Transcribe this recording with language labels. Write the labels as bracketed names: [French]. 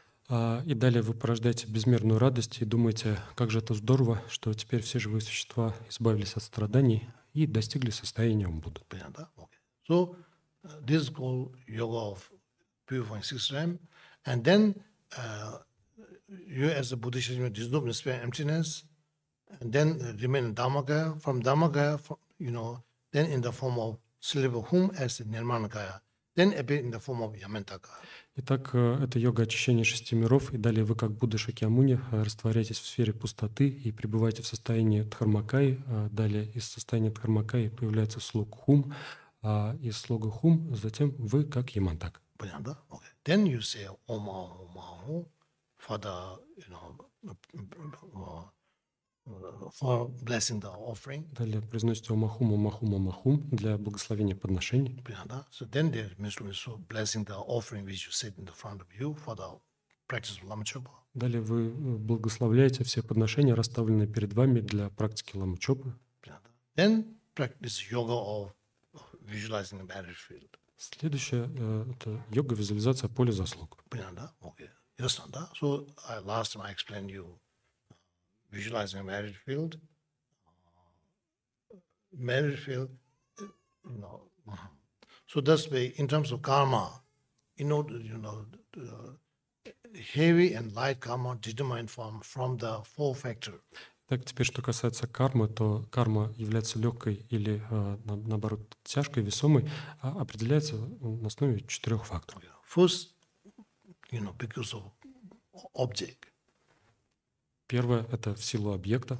[Russian] И далее вы порождаете безмерную радость и думаете, как же это здорово, что теперь все живые существа избавились от страданий и достигли состояния Будды. Понятно, да? Okay. [English] So, this is called yoga of purifying six realms. And then, you as a Buddhist, you dissolve the spirit of emptiness, and then remain in Dharmakaya. From Dharmakaya, you know, then in the form of sleep of whom as Nirmanakaya. Then appear in the form of Yamantaka. [Russian] Итак, это йога очищения шести миров, и далее вы, как Будда Шакьямуни, растворяетесь в сфере пустоты и пребываете в состоянии Дхармакаи. Далее из состояния Дхармакаи появляется слог Хум, а из слога Хум затем вы, как Ямантак. Понятно, да? [English] Okay. Then you say, Ома, Ома, Ома, for the, you know, for blessing the offering. [Russian] Далее произносите омахум, омахум, омахум для благословения подношений. Понятно, да? [English] So then the mystery is so blessing the offering which you set in the front of you for the practice of Lamachopa. [Russian] Далее вы благословляете все подношения, расставленные перед вами для практики Ламачопы. Понятно. [English] Then practice yoga of visualizing the merit field. [Russian] Следующая это йога визуализация поля заслуг. Понятно, да? [English] Okay. [Russian] Ясно, да? [English] So last time I explained you visualizing a merit field. Merit field, no. So that's way, in terms of karma, in order, you know, heavy and light karma determined from the four factors. [Russian] Так теперь, что касается кармы, то карма является легкой или, наоборот, тяжкой, весомой, определяется на основе четырех факторов. [English] First, you know, because of object. [Russian] Первое – это в силу объекта.